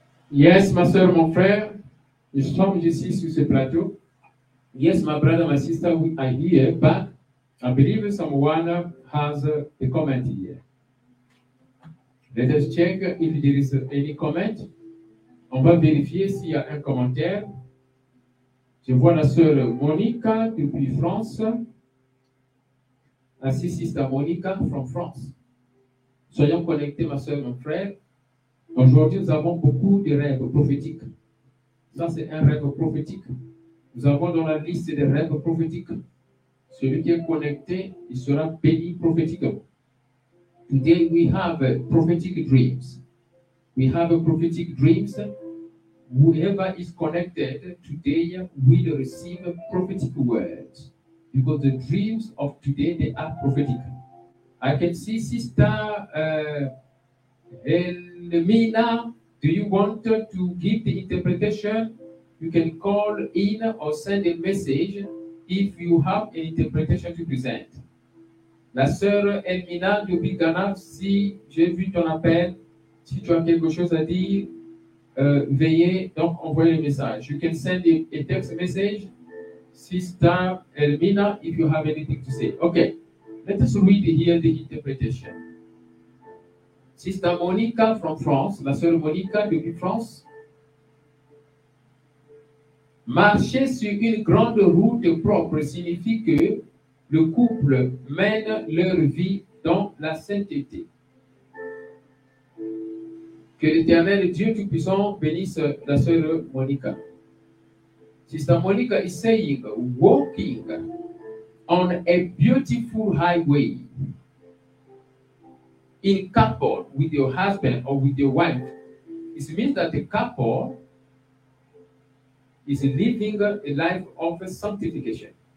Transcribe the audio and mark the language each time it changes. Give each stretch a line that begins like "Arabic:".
English: Yes, my
French: soeur, mon frère. Nous sommes ici sur ce plateau.
English: Yes, my brother, my sister, we are here, but I believe someone has a comment here. Let us check if there is any comment.
French: On va vérifier s'il y a un commentaire. Je vois la sœur Monica depuis France. Ainsi,
English: sister Monica from France.
French: Soyons connectés, ma sœur, mon frère. Aujourd'hui, nous avons beaucoup de rêves prophétiques. Ça, c'est un rêve prophétique. Nous avons dans la liste des rêves prophétiques. Celui qui est connecté, il sera béni prophétiquement.
English: Today we have prophetic dreams. We have prophetic dreams. Whoever is connected today will receive prophetic words. Because the dreams of today, they are prophetic. I can see Sister Elmina. Do you want to give the interpretation? You can call in or send a message if you have an interpretation to present.
French: La sœur Elmina de Bigana, si j'ai vu ton appel, si tu as quelque chose à dire, veillez, donc envoyez le message.
English: You can send a text message, Sister Elmina, if you have anything to say. Okay, let us read here the interpretation. Sister Monica from France,
French: la sœur Monica de France. Marcher sur une grande route propre signifie que le couple mène leur vie dans la sainteté. Que l'Éternel Dieu Tout-Puissant bénisse la sœur Monica.
English: Sister Monica is saying, walking on a beautiful highway in couple with your husband or with your wife, it means that the couple is living a life of sanctification.